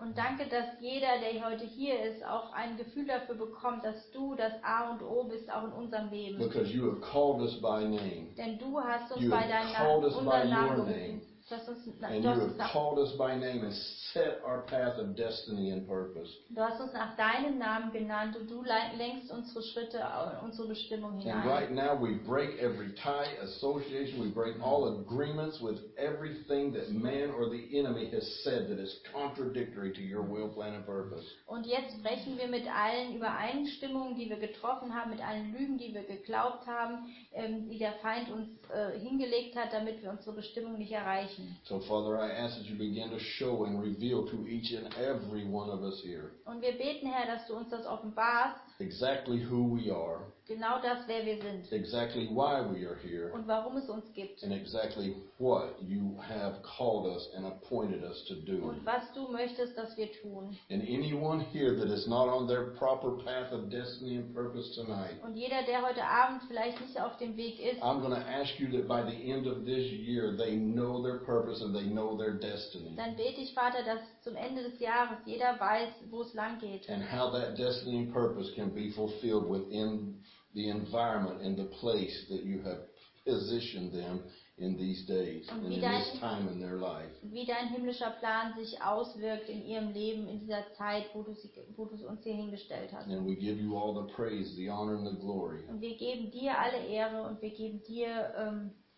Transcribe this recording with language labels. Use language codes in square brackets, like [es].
[de] Und danke, dass jeder, der heute hier ist, auch ein Gefühl dafür bekommt, dass du das A und O bist, auch in unserem Leben. [en] Because you have called us by name. [de] Denn du hast uns bei deinem Namen gerufen. [en] And you have called us by name and set our path of destiny and purpose. [de] Du hast uns nach deinem Namen genannt und du lenkst unsere Schritte, unsere Bestimmung hinein. [en] And right now we break every tie, association, we break all agreements with everything that man or the enemy has said that is contradictory to your will, plan and purpose. [de] Und jetzt brechen wir mit allen Übereinstimmungen, die wir getroffen haben, mit allen Lügen, die wir geglaubt haben, die der Feind uns hingelegt hat, damit wir unsere Bestimmung nicht erreichen. [en] So, Father, I ask that you begin to show and reveal to each and every one of us here. [de] Und wir beten, Herr, dass du uns das offenbarst. [en] Exactly who we are. [de] Genau das, wer wir sind. [en] Exactly why we are here. [de] Und warum es uns gibt. [en] And exactly what you have called us and appointed us to do. [de] Und was du möchtest, dass wir tun. [en] And anyone here that is not on their proper path of destiny and purpose tonight. [de] Und jeder, der heute Abend vielleicht nicht auf dem Weg ist. [en] I'm going to ask you that by the end of this year they know their purpose and they know their destiny. [de] Dann bete ich, Vater, dass zum Ende des Jahres jeder weiß, wo es lang geht. [en] And how that destiny and purpose can be fulfilled within the environment and the place that you have positioned them in these days and in this time in their life. [de] Wie dein himmlischer Plan sich auswirkt in ihrem Leben in dieser Zeit, wo du uns hier hingestellt hast. [en] And we give you all the praise, the honor and the glory. [de] Und wir geben dir alle Ehre und wir geben dir